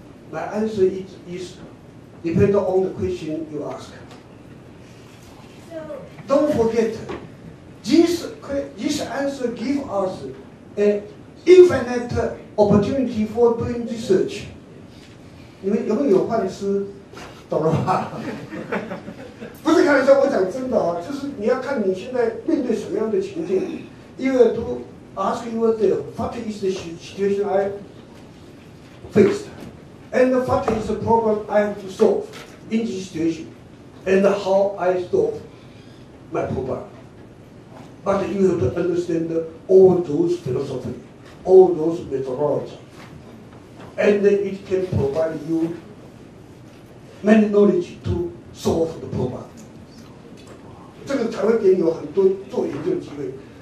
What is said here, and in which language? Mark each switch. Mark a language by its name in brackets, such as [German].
[English] My answer is depending on the question you ask. So, don't forget, this answer gives us an infinite opportunity for doing research. [Chinese] 你们有没有幻思，懂了吧？不是开玩笑，我讲真的啊，就是你要看你现在面对什么样的情境。 [English] You have to ask yourself, what is the situation I faced? And what is the problem I have to solve in this situation? And how I solve my problem? But you have to understand all those philosophy, all those methodology. And it can provide you many knowledge to solve the problem. [Chinese] 这个才会给你有很多做研究的机会.